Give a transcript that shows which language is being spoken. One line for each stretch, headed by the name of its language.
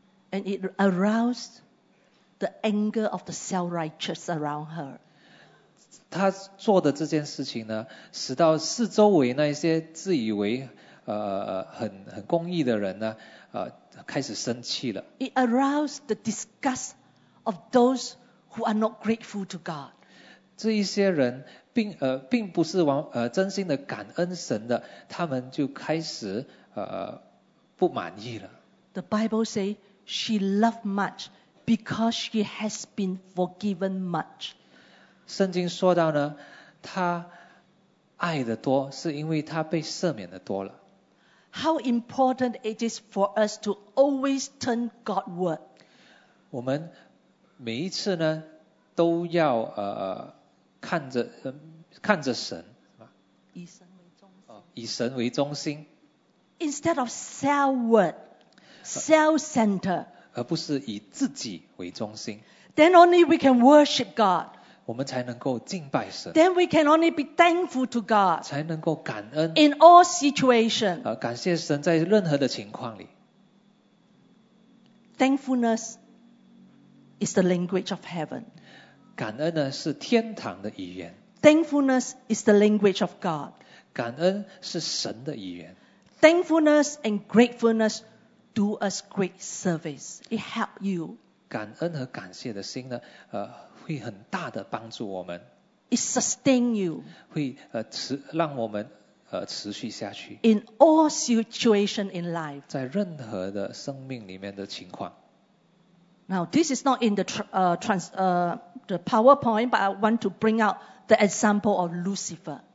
English: And it aroused the anger of the self-righteous around her.
Chinese: 他做的这件事情呢，使到四周围那些自以为很公义的人呢，开始生气了。
English: It aroused the disgust of those who are not grateful to God.
Chinese: 这一些人并不是真心的感恩神的，他们就开始不满意了。
English: The Bible says she loved much because she has been forgiven much.
Chinese: 圣经说到呢，她爱的多是因为她被赦免的多了。
English: How important it is for us to always turn Godward.
Chinese: 我们每一次呢都要看着神，以神为中心。以神为中心。
English: Instead of self-word, self-centered.
Chinese: 而不是以自己为中心。
English: Then only we can worship God.
Chinese: 我们才能够敬拜神。
English: Then we can only be thankful to God.
Chinese: 才能够感恩。
English: In all situations.
Chinese: 感谢神在任何的情况里。
English: Thankfulness is the language of heaven.
Chinese: 感恩呢是天堂的语言。
English: Thankfulness is the language of God.
Chinese: 感恩是神的语言。
English: Thankfulness and gratefulness do us great service. It help you.
Chinese: 感恩和感谢的心呢，会很大的帮助我们。
English: It sustain you.
Chinese: 会让我们持续下去。
English: In all situation in life.
Chinese: 在任何的生命里面的情况。
English: Now, this is not in the PowerPoint, but I want to bring out the example of Lucifer.